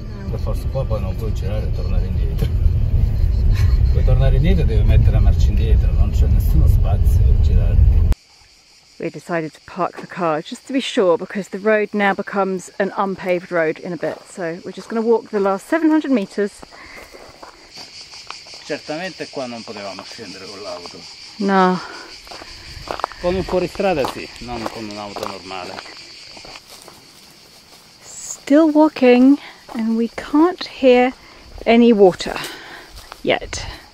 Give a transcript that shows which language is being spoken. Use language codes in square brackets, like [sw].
[it] Per forza qua poi non puoi girare e tornare indietro. Puoi tornare indietro, devi mettere la marcia indietro. Non c'è nessuno spazio per girare. [en] We decided to park the car just to be sure because the road now becomes an unpaved road in a bit. So we're just going to walk the last 700 metres. [it] Certamente qua non potevamo scendere con l'auto. No. Con un fuoristrada sì, non con un'auto normale. [en] Still walking and we can't hear any water yet.